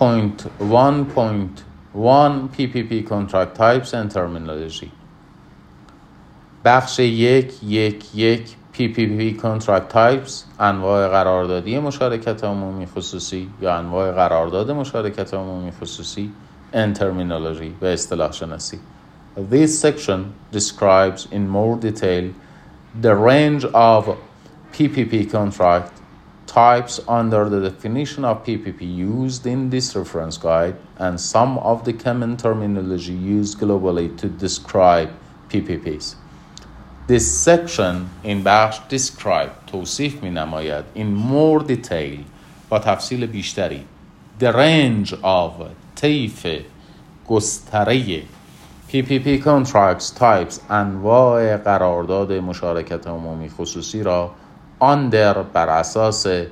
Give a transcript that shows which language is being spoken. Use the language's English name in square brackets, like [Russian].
[English] 1.1.1 PPP contract types and terminology. [Persian] بخش 1.1.1 [English] PPP contract types, [Persian] انواع قراردادی مشارکت عمومی خصوصی یا انواع قرارداد مشارکت عمومی خصوصی, [English] and terminology, [Persian] و اصطلاح شناسی. [English] This section describes in more detail the range of PPP contract types under the definition of PPP used in this reference guide and some of the common terminology used globally to describe PPPs. This section in bash describe, [Persian] توصیف می نماید, [English] in more detail, [Persian] با تفصیل بیشتری, [English] the range of, [Persian] طیف گستره, [English] PPP contracts types, [Persian] انواع قرارداد مشارکت عمومی خصوصی را, [English] under, [Persian] بر اساس